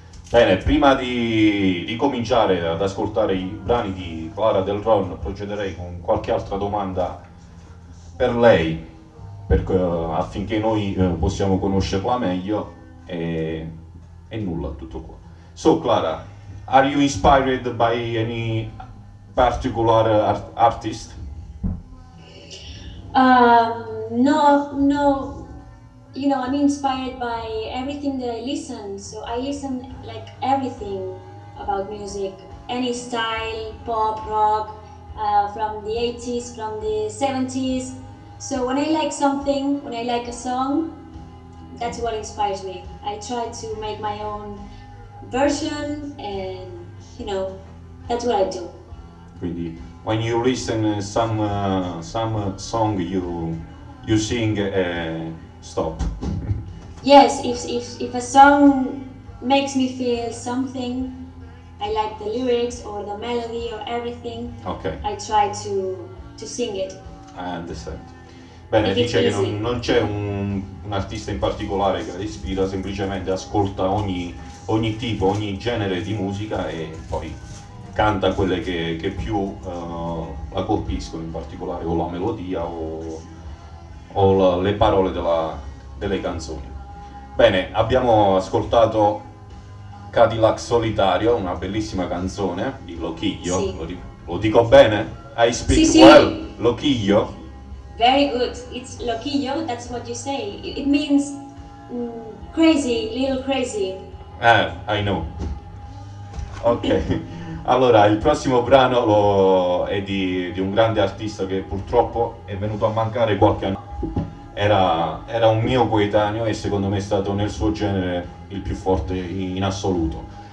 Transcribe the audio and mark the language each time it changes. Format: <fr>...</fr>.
<it>Bene, prima di cominciare ad ascoltare i brani di Clara Del Ron, procederei con qualche altra domanda per lei, affinché noi possiamo conoscerla meglio, e nulla, tutto qua.</it> <en>So, Clara, are you inspired by any particular artist? No. You know, I'm inspired by everything that I listen. So I listen like everything about music, any style, pop, rock, from the 80s, from the 70s. So when I like something, when I like a song, that's what inspires me. I try to make my own version, and you know, that's what I do. Quindi, when you listen some song, you sing stop. Yes, if a song makes me feel something, I like the lyrics or the melody or everything. Okay. I try to sing it. I understand.</en> <it>Bene, dice che non c'è un artista in particolare che la ispira, semplicemente ascolta ogni tipo, ogni genere di musica e poi canta quelle che più la colpiscono, in particolare o la melodia o le parole delle canzoni. Bene, abbiamo ascoltato Cadillac Solitario, una bellissima canzone di Loquillo. Sì. Lo dico bene?</it> <en>I speak</en> <it>sì,</it> <en>well,</en> <it>sì. Loquillo.</it> <en>Very good. It's Loquillo, that's what you say. It means crazy, little crazy. I know.</en> <it>Ok, allora il prossimo brano è di un grande artista che purtroppo è venuto a mancare qualche anno. Era un mio coetaneo e secondo me è stato nel suo genere il più forte in assoluto.</it>